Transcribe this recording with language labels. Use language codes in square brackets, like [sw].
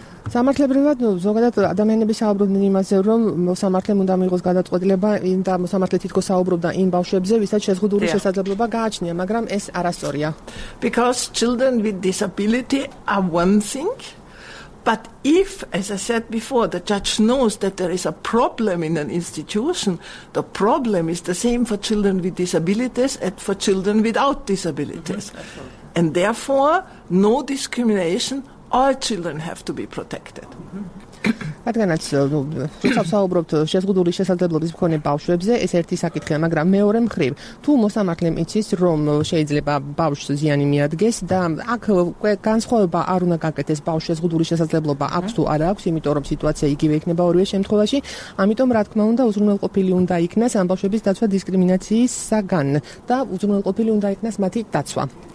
[ka] სამართლებრივად ზოგადად ადამიანები საუბრობდნენ იმაზე რომ მოსამართლემ უნდა მიიღოს გადაწყვეტილება იმ და მოსამართლე თვითონ საუბრობდა იმ ბავშვებზე ვისაც შეზღუდული შესაძლებლობა გააჩნია მაგრამ ეს არასწორია. [en] Because children with disability are one thing But if, as I said before, the judge knows that there is a problem in an institution, the problem is the same for children with disabilities as for children without disabilities. Mm-hmm. And therefore, no discrimination, all children have to be protected. Mm-hmm. [ka] რადგანაც საუბრობთ შეზღუდული შესაძლებლობის მქონე ბავშვებზე, ეს ერთი საკითხია, მაგრამ მეორე მხრივ, თუ მოსამართლემ იცის, რომ შეიძლება ბავშვს ზიანი მიადგეს და აქ განსხვავება არ უნდა გაკეთდეს ბავშვს შეზღუდული შესაძლებლობა აქვს თუ არა აქვს, იმიტომ რომ სიტუაცია იგივე იქნება ორივე შემთხვევაში, ამიტომ რა თქმა უნდა უზრუნველყოფილი უნდა იქნას ამ ბავშვების დაცვა დისკრიმინაციისგან და უზრუნველყოფილი უნდა იქნას მათი დაცვა.